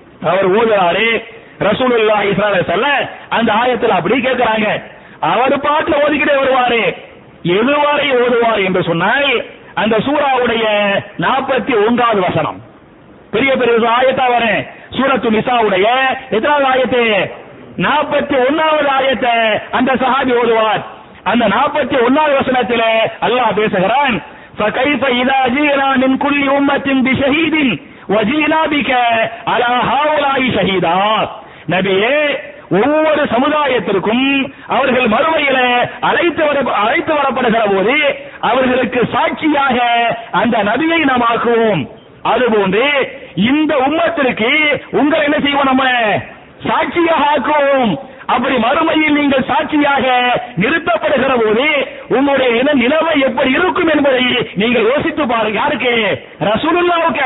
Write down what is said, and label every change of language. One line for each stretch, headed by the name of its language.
Tamil: அவர் ஓதுகிறாரே ரசூலுல்லாஹி ஸல்லல்லாஹு அலைஹி வஸல்லம் அந்த ஆயத்தில் அப்படி கேட்கிறாங்க. அவர் பாட்டு ஓதிக்கிட்டே வருவாரே, எதுவாரை ஓதுவார் என்று சொன்னால் அந்த சூராவுடைய 41வது வசனம். பெரிய பெரிய ஆயத்தா வரே, சூரத்து நிசாவுடைய எத்தனாவது ஆயத்து? 41வது ஆயத்தை அந்த சஹாபி ஓதுவார். அந்த 41வது வசனத்தில் அல்லாஹ் பேசுகிறான்,
Arabic: فكيف اذا جئنا من كل امه بشهيد وجئنا بك على هؤلاء شهيدا.
Tamil: நபியே, ஒவ்வொரு சமுதாயத்திற்கும் அவர்கள் மறுமையில அழைத்து வரப்படுகிற போது அவர்களுக்கு சாட்சியாக அந்த நபியை நாம் ஆக்குவோம். அதுபோன்று இந்த உம்மத்திற்கு உங்களை என்ன செய்வோம்? நம்ம சாட்சியாக ஆக்குவோம். அப்படி மறுமையில் நீங்கள் சாட்சியாக நிறுத்தப்படுகிற போது உங்களுடைய இன நிலைமை எப்படி இருக்கும் என்பதை நீங்கள் யோசித்து பாருங்க. யாருக்கு? ரசூலுல்லாஹ்வுக்கு.